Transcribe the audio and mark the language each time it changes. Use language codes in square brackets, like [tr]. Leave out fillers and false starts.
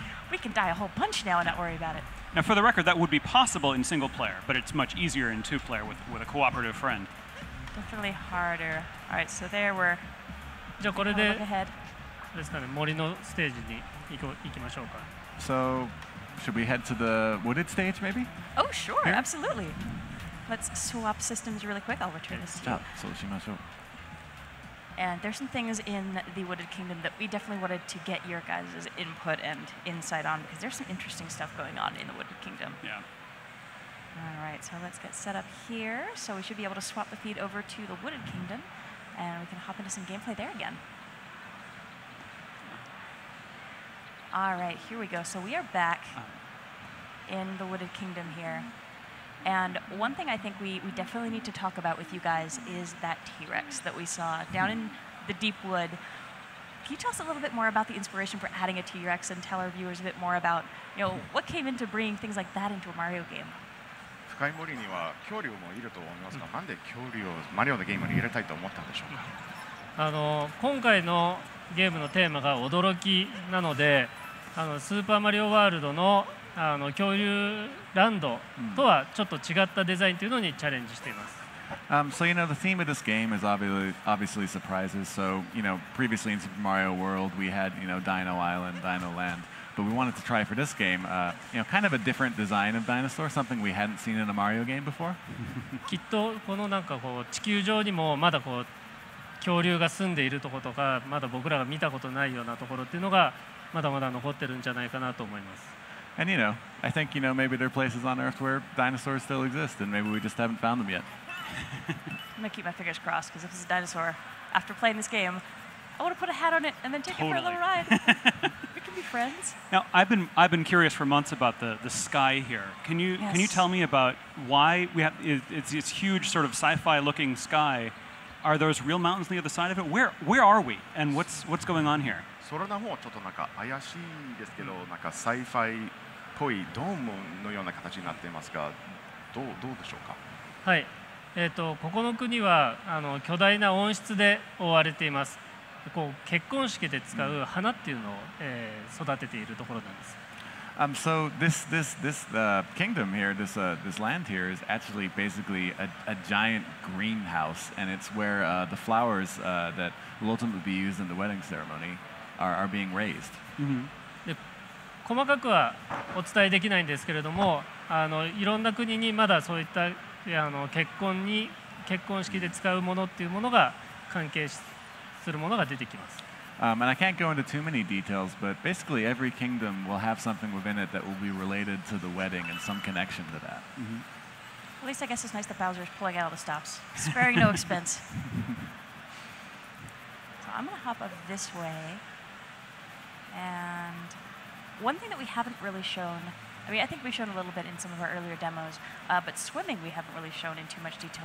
[en] We can die a whole bunch now and not worry about it. Now, for the record, that would be possible in single player, but it's much easier in two player with a cooperative friend. Definitely harder. All right, so there we're. [ja] じゃあこれで、ですかね、森のステージに行きましょうか。 [en] So, should we head to the wooded stage, maybe? Oh, sure, absolutely. Let's swap systems really quick. I'll return this to you. [ja] じゃあ、そうしましょう。 [en] And there's some things in the Wooded Kingdom that we definitely wanted to get your guys' input and insight on, because there's some interesting stuff going on in the Wooded Kingdom. Yeah. All right, so let's get set up here. So we should be able to swap the feed over to the Wooded Kingdom, and we can hop into some gameplay there again. All right, here we go. So we are back in the Wooded Kingdom here. And one thing I think we definitely need to talk about with you guys is that T-Rex that we saw down in the deep wood. Can you tell us a little bit more about the inspiration for adding a T-Rex and tell our viewers a bit more about, you know, what came into bringing things like that into a Mario game? [ja] 深い森には恐竜もいると思いますが、なんで恐竜をマリオのゲームに入れたいと思ったんでしょうか？今回のゲームのテーマが驚きなので、スーパーマリオワールドの恐竜ランドとはちょっと違ったデザインというのにチャレンジしています。 [en] So, you know, the theme of this game is obviously surprises. So, you know, previously in Super Mario World, we had, you know, Dino Island, Dino Land. But we wanted to try for this game, you know, kind of a different design of dinosaur, something we hadn't seen in a Mario game before. [ja] きっとこのなんかこう地球上にもまだこう恐竜が住んでいるところとか、まだ僕らが見たことないようなところっていうのがまだまだ残ってるんじゃないかなと思います。 [en] And you know, I think, you know, maybe there are places on Earth where dinosaurs still exist, and maybe we just haven't found them yet. I'm going to keep my fingers crossed, because if it's a dinosaur, after playing this game, I want to put a hat on it and then take it for a little ride. We can be friends. Now, I've been curious for months about the sky here. Can you tell me about why we have it's huge sort of sci-fi looking sky? Are those real mountains on the other side of it? Where are we? And what's going on here? [ja] それの方はちょっとなんか怪しいですけど、なんかサイファイっぽいドームのような形になっていますが、どうでしょうか？はい。ここの国は巨大な温室で覆われています。こう結婚式で使う花っていうのを、育てているところなんです。 [en] So this kingdom here, this land here is actually basically a giant greenhouse, and it's where the flowers that will ultimately be used in the wedding ceremony are being raised. [ja] で、細かくはお伝えできないんですけれども、いろんな国にまだそういった結婚式で使うものっていうものが関係するものが出てきます。 [en] And I can't go into too many details, but basically every kingdom will have something within it that will be related to the wedding and some connection to that. Mm-hmm. At least I guess it's nice that Bowser is pulling out all the stops, sparing no expense. So I'm going to hop up this way. And one thing that we haven't really shown, I mean, I think we've shown a little bit in some of our earlier demos, but swimming we haven't really shown in too much detail.